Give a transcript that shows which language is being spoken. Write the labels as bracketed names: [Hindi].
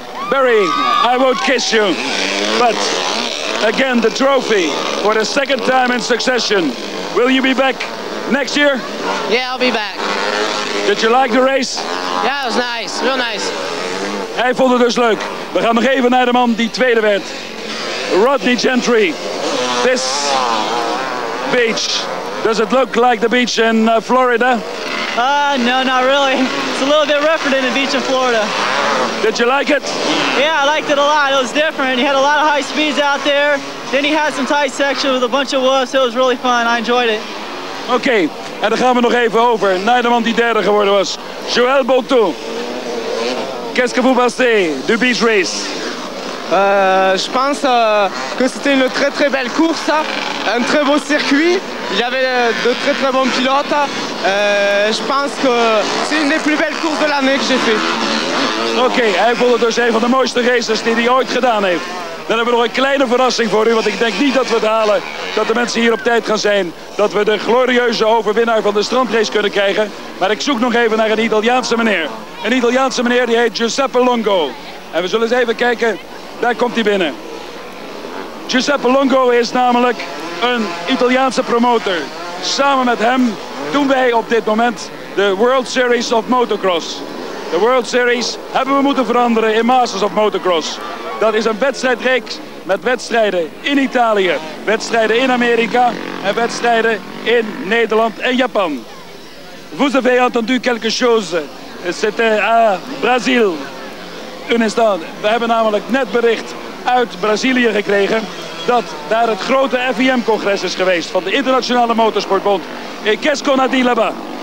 [English] Barry, I won't kiss you, but again the trophy for the second time in succession. Will you be back next year? Yeah, I'll be back. Did you like the race? Yeah, it was nice, real nice. [Dutch] Hij vond het dus leuk. We gaan nog even naar de man die tweede werd. [English] Rodney Gentry. This beach. Does it look like the beach in Florida? No, not really. It's a little bit rougher than the beach in Florida. Did you like it? Yeah, I liked it a lot. It was different. You had a lot of high speeds out there. Then he had some tight section with a bunch of whoops. It was really fun. I enjoyed it. [Dutch] Okay, en dan gaan we nog even over naar de man die derde geworden was. Joël Bonton. [French] Qu'est-ce que vous pensez du beach race? Je pense que c'était une très très belle course, un très beau circuit. Il y avait de très très bons pilotes. Je pense que c'est une des plus belles courses de l'année que j'ai fait. [Dutch] Oké, hij vond het dus een van de mooiste races die hij ooit gedaan heeft. Dan hebben we nog een kleine verrassing voor u, want ik denk niet dat we het halen dat de mensen hier op tijd gaan zijn. Dat we de glorieuze overwinnaar van de strandrace kunnen krijgen. Maar ik zoek nog even naar een Italiaanse meneer. Een Italiaanse meneer die heet Giuseppe Longo. En we zullen eens even kijken, daar komt hij binnen. Giuseppe Longo is namelijk een Italiaanse promotor. Samen met hem doen wij op dit moment de World Series of Motocross. De World Series hebben we moeten veranderen in Masters of Motocross. Dat is een wedstrijdreeks met wedstrijden in Italië, wedstrijden in Amerika en wedstrijden in Nederland en Japan. [French] Vous avez entendu quelque chose? C'était à Brazil. Un instant. [Dutch] We hebben namelijk net bericht uit Brazilië gekregen dat daar het grote FIM-congres is geweest van de Internationale Motorsportbond. [French] Et qu'est-ce qu'on a dit là-bas?